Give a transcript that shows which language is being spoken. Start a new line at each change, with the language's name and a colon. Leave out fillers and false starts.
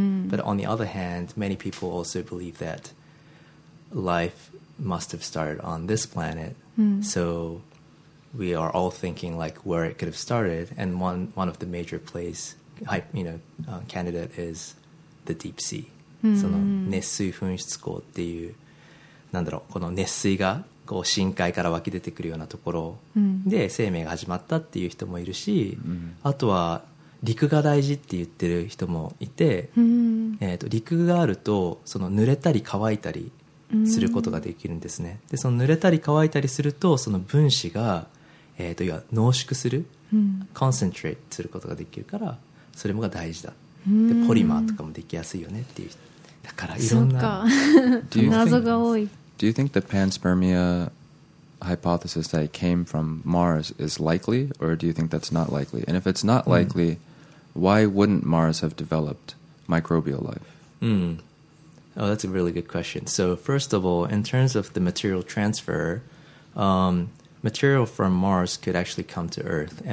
English: But on the other hand, many people also believe that life must have started on this planet. So we are all thinking like where it could have started, and one of the major place, you know, candidate is the deep sea.
Japanese: その熱水噴出口っていう、なんだろう、この熱水がこう深海から湧き出てくるようなところで生命が始まったっていう人もいるし、あとは陸が大事って言ってる人もいて、陸があるとその濡れたり乾いたりすることができるんですね。でその濡れたり乾いたりするとその分子が、いわ濃縮する、concentrate することができるからそれもが大事だ、でポリマーとかもできやすいよねっていう人、だからいろんな謎が多い。
English: Do you think the panspermia hypothesis that it came from Mars is likely, or do you think that's not likely? And if it's not likely, why wouldn't Mars have developed microbial life? Oh, that's a really good question. So first of all, in terms of the material transfer, material from Mars could actually come to Earth.